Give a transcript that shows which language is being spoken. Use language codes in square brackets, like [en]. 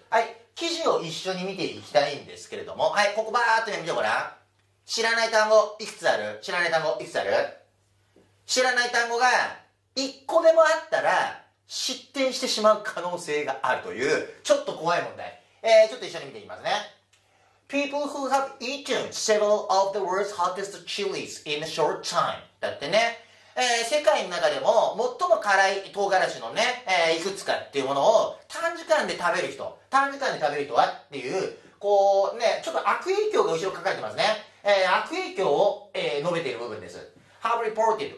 [ja] はい、記事を一緒に見ていきたいんですけれども、はい、ここバーっと見てごらん。知らない単語いくつある？知らない単語いくつある？知らない単語が1個でもあったら失点してしまう可能性があるという、ちょっと怖い問題。ちょっと一緒に見ていきますね。 [en] People who have eaten several of the world's hottest chilies in a short time. [ja] だってね、世界の中でも最も辛い唐辛子のね、いくつかっていうものを短時間で食べる人、短時間で食べる人はっていう、こうね、ちょっと悪影響が後ろ書かれてますね。悪影響を、述べている部分です。 [en] Have reported.